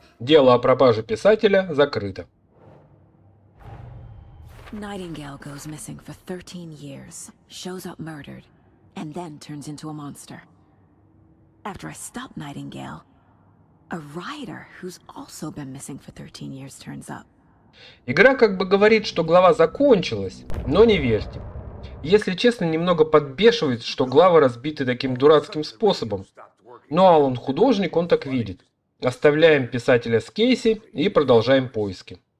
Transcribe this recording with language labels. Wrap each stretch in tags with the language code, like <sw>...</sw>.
<ru>Дело о пропаже писателя закрыто.</ru> <en>Nightingale goes missing for 13 years, shows up murdered, and then turns into a monster. After I stop Nightingale, a writer who's also been missing for 13 years turns up.</en> <ru>Игра как бы говорит, что глава закончилась, но не верьте. Если честно, немного подбешивает, что главы разбиты таким дурацким способом. Но Алан художник, он так видит. Оставляем писателя с Кейси и продолжаем поиски.</ru>